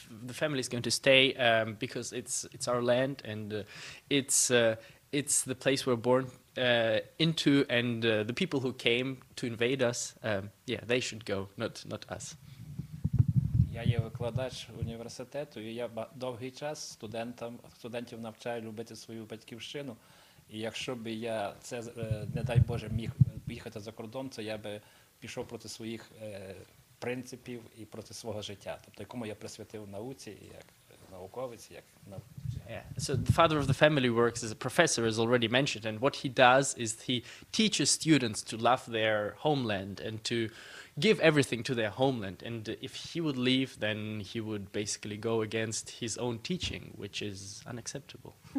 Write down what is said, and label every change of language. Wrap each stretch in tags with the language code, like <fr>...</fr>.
<en>The family is going to stay because it's our land, and it's the place we're born into, and the people who came to invade us, they should go, not us.</en> <uk>Я є викладач університету, і я довгий час студентів навчаю любити свою батьківщину. І якщо б я це, не дай Боже, міг їхати за кордон, то я би пішов проти своїх принципів і проти свого життя, тобто якому я присвятив науці, як науковець, як</uk> <en>So the father of the family works as a professor, as already mentioned, and what he does is he teaches students to love their homeland and to give everything to their homeland. And if he would leave, then he would basically go against his own teaching, which is unacceptable.</en>